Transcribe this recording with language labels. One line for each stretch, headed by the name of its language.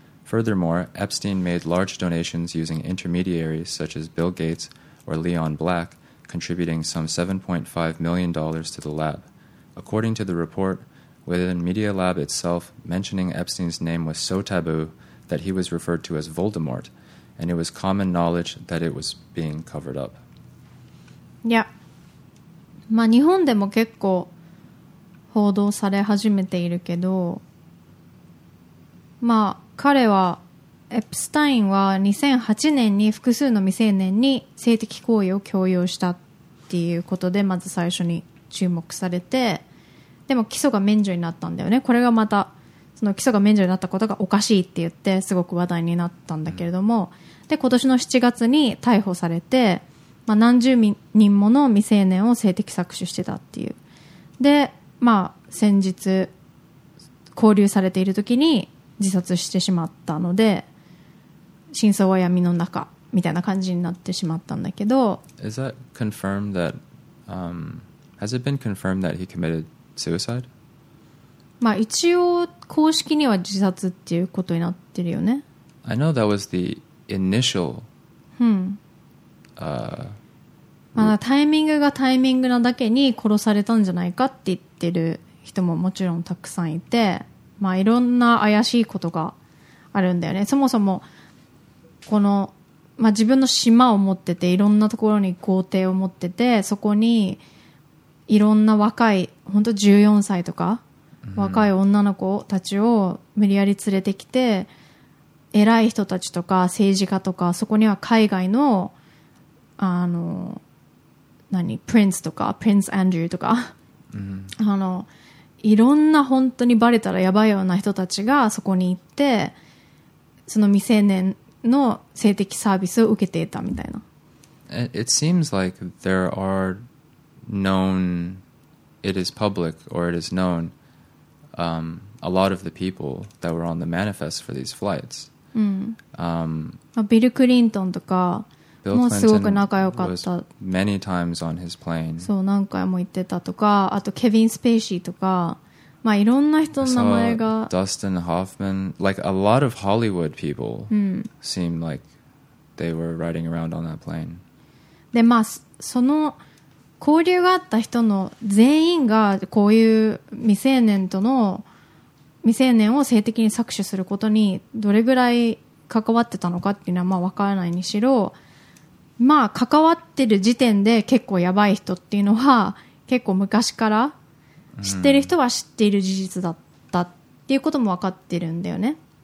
English: Furthermore, Epstein made large donations using intermediaries such as Bill Gates or Leon Black, contributing some $7.5 million to the lab. According to the report, within Media Lab itself, mentioning Epstein's name was so taboo that he was referred to as Voldemort, and it was common knowledge that it was being covered up. Yeah.
Japanese: まあ日本でも結構報道され始めているけど、まあ彼はエプスタインは2008年に複数の未成年に性的行為を強要したっていうことでまず最初に注目されて、でも起訴が免除になったんだよね。これがまたその起訴が免除になったことがおかしいって言ってすごく話題になったんだけれども、で今年の7月に逮捕されて、まあ、何十人もの未成年を性的搾取してたっていう。で、まあ、先日拘留されている時に自殺してしまったので、真相は闇の中みたいな感じになってしまったんだけど。
English: Is that confirmed that, has it been confirmed that he committed suicide?
Japanese: まあ一応公式には自殺っていうことになってるよね。
English: I know that was the initial、
Japanese: まあ、タイミングがタイミングなだけに殺されたんじゃないかって言ってる人ももちろんたくさんいて、まあ、いろんな怪しいことがあるんだよね。そもそもこの、まあ、自分の島を持ってて、いろんなところに豪邸を持ってて、そこにいろんな若い、本当14歳とか若い女の子たちを無理やり連れてきて、偉い人たちとか政治家とか、そこには海外のあの何プリンスとかプリンスアンドリューとか、あのいろんな本当にバレたらやばいような人たちがそこに行って、その未成年の性的サービスを受けていたみたいな。
English: It seems like there are known, it is public or it is known、a lot of the people that were on the manifest for these flights、
Japanese: ビル・クリントンとか
English: Bill Clinton
Japanese: もうすごく仲良かった。
English: Many times on his plane.
Japanese: そう、何回も行ってたとか、あとケビン・スペーシーとか、まあいろんな人の名前が。
English: Dustin Hoffman, like a lot of Hollywood people、seem like they were riding around on that plane.
Japanese: で、まあその交流があった人の全員がこういう未成年との未成年を性的に搾取することにどれぐらい関わってたのかっていうのはまあ分からないにしろ、まあ関わってる時点で結構やばい人っていうのは結構昔から知ってる人は知っている事実だったっていうことも分かってるんだよね。